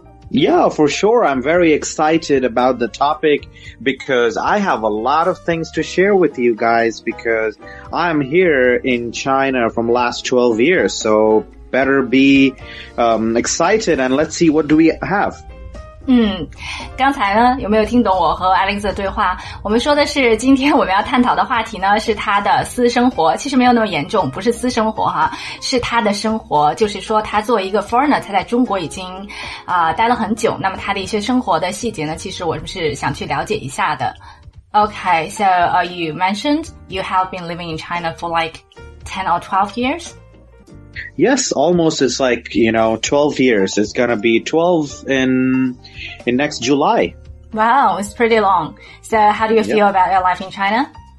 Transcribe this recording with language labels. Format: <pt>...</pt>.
<en>Yeah, for sure. I'm very excited about the topic because I have a lot of things to share with you guys because I'm here in China from last 12 years. So better be, excited and let's see what do we have.</en> <zh>刚才呢有没有听懂我和 Alex 的对话，我们说的是今天我们要探讨的话题呢是他的私生活，其实没有那么严重，不是私生活哈，是他的生活，就是说他作为一个 foreigner， 他在中国已经待了很久，那么他的一些生活的细节呢其实我是想去了解一下的。</zh> <en>OK, so you mentioned you have been living in China for like 10 or 12 years? Yes, almost. It's like, you know, 12 years. It's going to be 12 in next July. Wow, it's pretty long. So how do you feel about your life in China?</en>